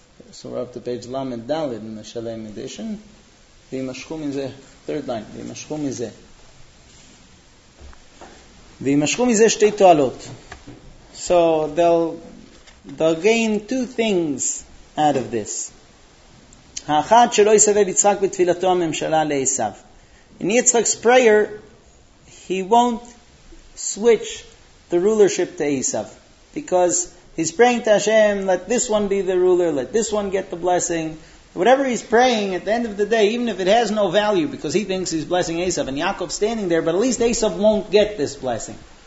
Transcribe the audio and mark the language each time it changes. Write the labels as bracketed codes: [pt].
[en] So we're up to page Lamed Dalid in the Shalem edition. V'imashchum izeh, third line, V'imashchum izeh. V'imashchum izeh shtei toalot. So they'll gain two things out of this. [he] האחד שלא יסבב יצחק בתפילתו הממשלה לעשיו. [en] In Yitzchak's prayer, he won't switch the rulership to Esav, because he's praying to Hashem, let this one be the ruler, let this one get the blessing. Whatever he's praying, at the end of the day, even if it has no value, because he thinks he's blessing Esav, and Yaakov's standing there, but at least Esav won't get this blessing.